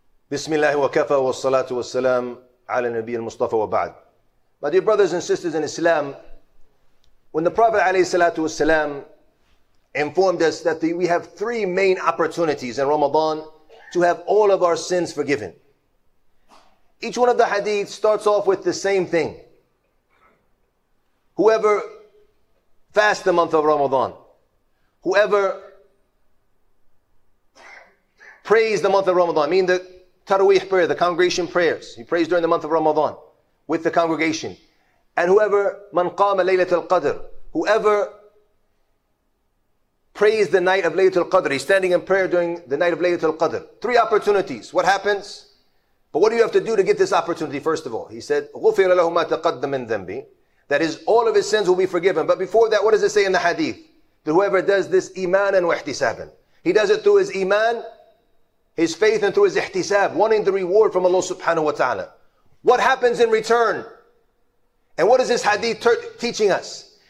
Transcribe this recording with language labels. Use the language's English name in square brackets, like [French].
[Arabic] بسم الله وكفى والصلاة والسلام على النبي المصطفى وبعد. [English] My dear brothers and sisters in Islam, when the Prophet [Arabic] عليه الصلاة والسلام [English] informed us that we have three main opportunities in Ramadan to have all of our sins forgiven. Each one of the hadith starts off with the same thing. Whoever fasts the month of Ramadan, whoever prays the month of Ramadan, meaning the tarawih prayer, the congregation prayers, he prays during the month of Ramadan with the congregation. And whoever, [Arabic] man qama laylatul qadr, [English] whoever prays the night of Laylatul Qadr. He's standing in prayer during the night of Laylatul Qadr. Three opportunities. What happens? But what do you have to do to get this opportunity, first of all? He said, [Arabic] غُفِرَ لَهُ مَا تَقَدَّ مِنْ ذَنْبِ. [English] That is, all of his sins will be forgiven. But before that, what does it say in the hadith? That whoever does this iman and wahtisaban, he does it through his iman, his faith, and through his ihtisab, wanting the reward from Allah subhanahu wa ta'ala. What happens in return? And what is this hadith teaching us?